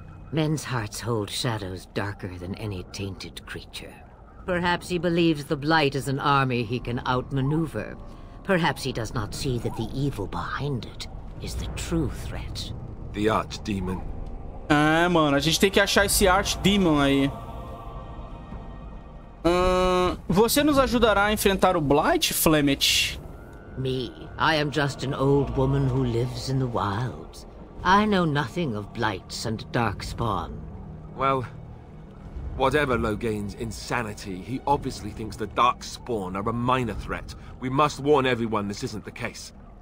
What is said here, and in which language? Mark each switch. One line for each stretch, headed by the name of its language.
English: Men's hearts hold shadows darker than any tainted creature. Perhaps he believes the Blight is an army he can outmaneuver. Perhaps he does not see that the evil behind it is the true threat. The Archdemon.
Portuguese: Mano, a gente tem que achar esse Archdemon aí. Você nos ajudará a enfrentar o Blight, Flemmet?
English: Me? I am just an old woman who lives in the wilds. I know nothing of Blights and Darkspawn. Well, whatever Loghaine's insanity, he obviously thinks the Darkspawn are a minor threat. We must warn everyone this isn't the case.